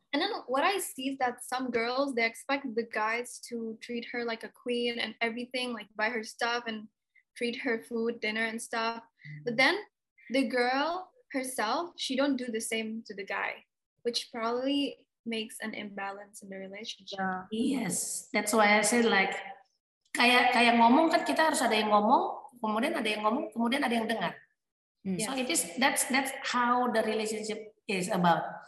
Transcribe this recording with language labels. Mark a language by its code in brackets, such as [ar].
[en] And then what I see is that some girls, they expect the guys to treat her like a queen and everything, like buy her stuff and treat her food, dinner and stuff. But then the girl herself, she don't do the same to the guy, which probably makes an imbalance in the relationship. Yeah. Yes, that's why I said like [id] kayak ngomong kan kita harus ada yang ngomong, kemudian ada yang ngomong, kemudian ada yang dengar. [en] Yes. So it is that's how the relationship is about.